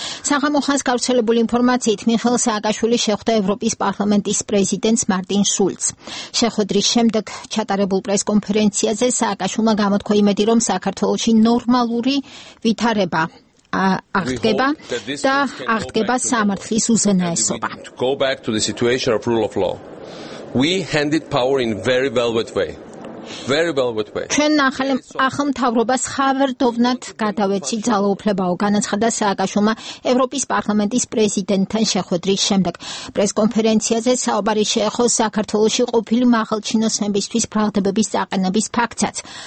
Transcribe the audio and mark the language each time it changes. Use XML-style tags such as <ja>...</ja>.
<ka>საღამო ხანს გავრცელებული ინფორმაციით მიხეილ სააკაშვილი შეხვდა ევროპის პარლამენტის პრეზიდენტს მარტინ შულც. შეხვედრის შემდეგ ჩატარებულ პრესკონფერენციაზე სააკაშვილმა გამოთქვა იმედი, რომ საქართველოში ნორმალური ვითარება აღდგება და აღდგება სამართლის უზენაესობა.</ka> <en>Go back to the situation of rule of law. We handed power in very velvet way. Very velvet way.</en> <ka>ჩვენ ახალმთავრობას ხავერდოვნად გადავეცი ძალაუფლებაო, განაცხადა სააკაშვილმა ევროპის პარლამენტის პრეზიდენტთან შეხვედრის შემდეგ. პრესკონფერენციაზე საუბარი შეეხო საქართველოსი ყოფილი მაღალჩინოსნებისთვის ბრალდებების წაყენების ფაქტსაც.</ka>